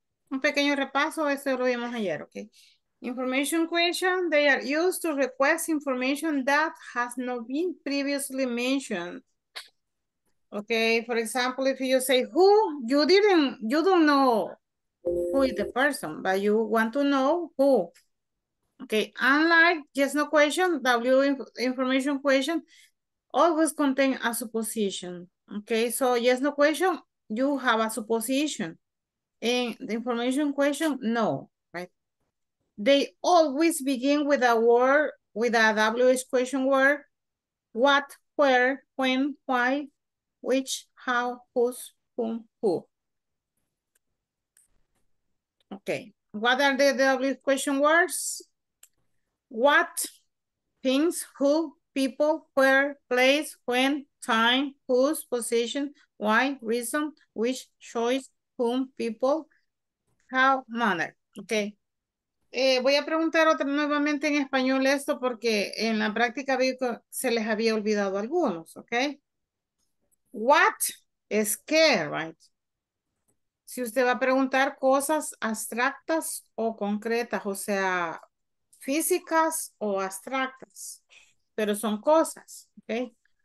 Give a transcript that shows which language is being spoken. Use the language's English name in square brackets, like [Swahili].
[Spanish] Un pequeño repaso, eso lo vimos ayer, okay. [English] Information question, they are used to request information that has not been previously mentioned. Okay, for example, if you say who, you don't know who is the person, but you want to know who. Okay, unlike yes, no question, W information question always contain a supposition. Okay, so yes, no question, you have a supposition. And the information question, no, right? They always begin with a word, with a WH question word, what, where, when, why, which, how, whose, whom, who. Okay, what are the W question words? What, things, who, people, where, place, when, time, whose, position, why, reason, which, choice, whom, people, how, manner. [Spanish] Okay, voy a preguntar otra nuevamente en español esto porque en la práctica vi que se les había olvidado algunos, okay? [English] What is [Spanish] qué, right? Si usted va a preguntar cosas abstractas o concretas, o sea, físicas o abstractas, pero son cosas, ¿ok?